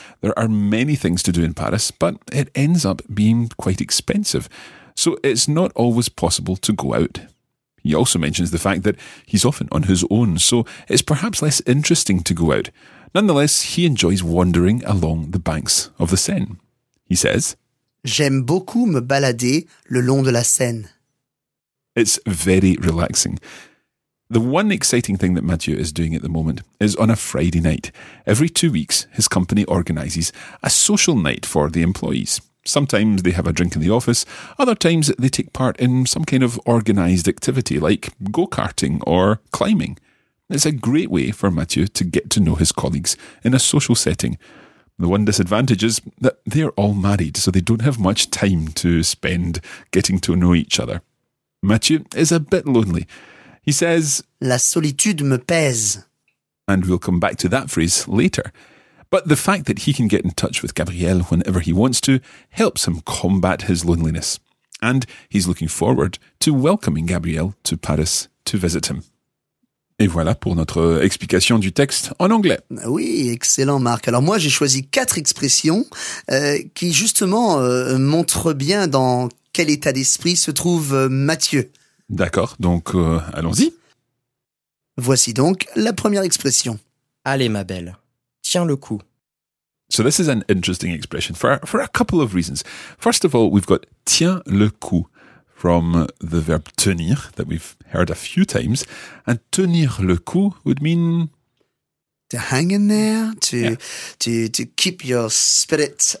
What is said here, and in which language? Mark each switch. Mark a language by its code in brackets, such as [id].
[en] There are many things to do in Paris, but it ends up being quite expensive. So it's not always possible to go out. He also mentions the fact that he's often on his own, so it's perhaps less interesting to go out. Nonetheless, he enjoys wandering along the banks of the Seine. He says, [fr] j'aime beaucoup me balader le long de la Seine. [en] It's very relaxing. The one exciting thing that Mathieu is doing at the moment is on a Friday night. Every 2 weeks, his company organises a social night for the employees. Sometimes they have a drink in the office, other times they take part in some kind of organised activity like go-karting or climbing. It's a great way for Mathieu to get to know his colleagues in a social setting. The one disadvantage is that they're all married, so they don't have much time to spend getting to know each other. Mathieu is a bit lonely. He says, [fr] la solitude me pèse. [en] And we'll come back to that phrase later. But the fact that he can get in touch with Gabrielle whenever he wants to helps him combat his loneliness. And he's looking forward to welcoming Gabrielle to Paris to visit him. [fr] Et voilà pour notre explication du texte en anglais. Oui, excellent Marc. Alors moi j'ai choisi 4 expressions qui justement montrent bien dans quel état d'esprit se trouve Mathieu. D'accord, donc allons-y. Voici donc la première expression. Allez ma belle. Tiens le coup. [en] So this is an interesting expression for a couple of reasons. First of all, we've got [fr] tiens le coup [en] from the verb tenir that we've heard a few times. And [fr] tenir le coup [en] would mean... to hang in there, to keep your spirit